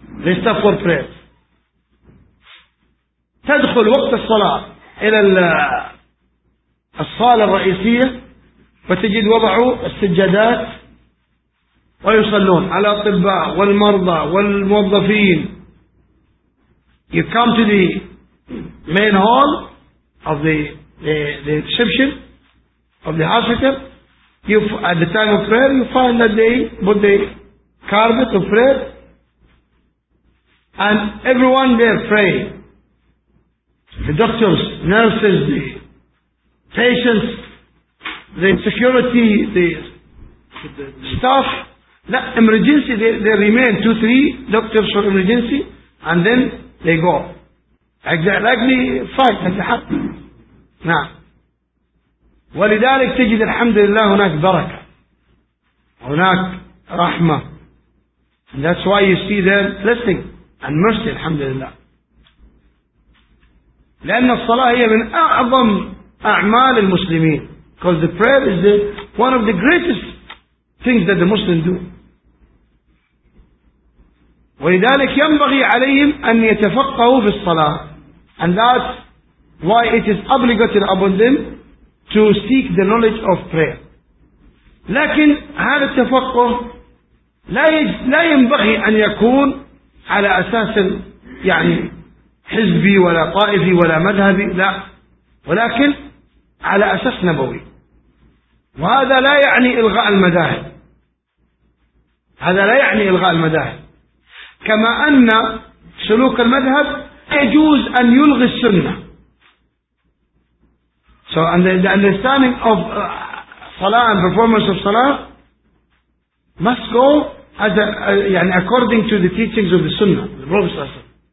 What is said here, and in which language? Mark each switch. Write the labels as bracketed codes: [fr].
[en] They stop for prayer. [ar] تدخل وقت الصلاة إلى الصالة الرئيسية وتجد وضعوا السجادات ويصلون على الأطباء والمرضى والموظفين. [en] You come to the main hall of the reception of the hospital at the time of prayer, you find that they put the carpet of prayer, and everyone there pray. The doctors, nurses, the patients, the security, the staff. That emergency, they remain 2-3 doctors for emergency, and then they go. Like the fight that happened. [ar] Now, ولذلك تجد الحمد لله هناك بركة هناك رحمة. [en] And that's why you see them blessing and mercy, الحمد لله. [ar] لأن الصلاة هي من أعظم أعمال المسلمين. [en] Because the prayer is one of the greatest things that the Muslims do. [ar] ولذلك ينبغي عليهم أن يتفقهوا في الصلاة. [en] And that's why it is obligated upon them to seek the knowledge of prayer. [ar] لكن هذا التفقه لا ينبغي أن يكون على أساس يعني حزبي ولا طائفي ولا مذهبي، لا، ولكن على أساس نبوي. وهذا لا يعني إلغاء المذاهب، هذا لا يعني إلغاء المذاهب، كما أن سلوك المذهب يجوز أن يلغي السنة. [en] So and the understanding of Salah and performance of Salah must go as according to the teachings of the Sunnah, the Prophet.